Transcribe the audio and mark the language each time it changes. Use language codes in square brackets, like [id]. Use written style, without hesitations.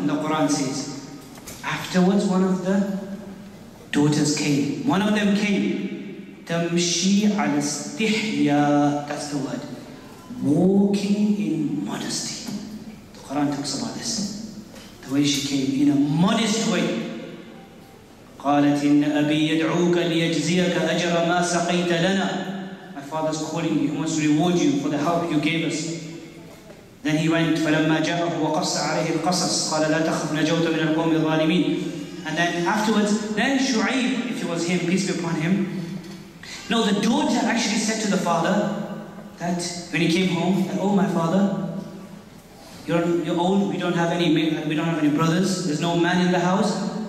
[en] And the Quran says, afterwards one of the daughters came. One of them came. [ar] تَمْشِي عَلَى اسْتِحْيَا. [en] That's the word. Walking in modesty. The Quran talks about this. The way she came, in a modest way. [ar] قالت إن أبي يدعوك ليجزيك أجر ما سقيت لنا. [en] My father's calling me, he wants to reward you for the help you gave us. Then he went, [ar] فلما جاءه وقص عليه القصص قال لا تخف نجوت من القوم الظالمين. [en] And then afterwards, then Shu'ayb, if it was him, peace be upon him. No, the daughter actually said to the father that when he came home, that, oh my father, you're old, we don't have any brothers, there's no man in the house.